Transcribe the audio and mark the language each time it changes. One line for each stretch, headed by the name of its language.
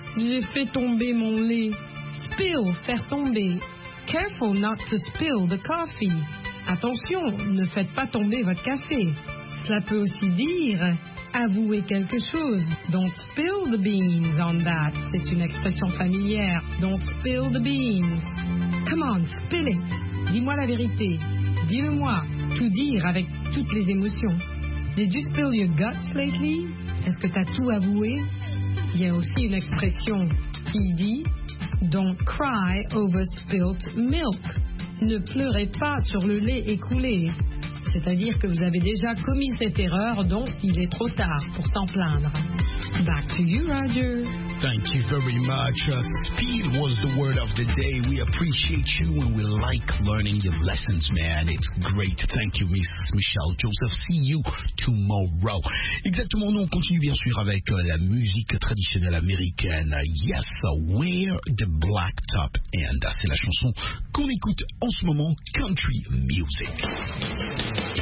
French: J'ai fait tomber mon lait. Spill, faire tomber.
English: Careful not to spill the coffee.
French: Attention, ne faites pas tomber votre café. Cela peut aussi dire avouer quelque chose.
English: Don't spill the beans on that.
French: C'est une expression familière.
English: Don't spill the beans. Come on, spill it.
French: Dis-moi la vérité. Dis-le-moi. Tout dire avec toutes les émotions.
English: Did you spill your guts lately?
French: Est-ce que t'as tout avoué? Il y a aussi une expression qui dit
English: Don't cry over spilt milk.
French: Ne pleurez pas sur le lait écoulé. C'est-à-dire que vous avez déjà commis cette erreur, donc il est trop tard pour t'en plaindre.
English: Back to you, Roger. Thank you very much. Spill was the word of the day. We appreciate you and we like learning your lessons, man. It's great. Thank you, Miss Michelle Joseph. See you tomorrow.
French: Exactement, nous on continue bien sûr avec la musique traditionnelle américaine. Yes, Wear the Black Top. And c'est la chanson qu'on écoute en ce moment, Country Music.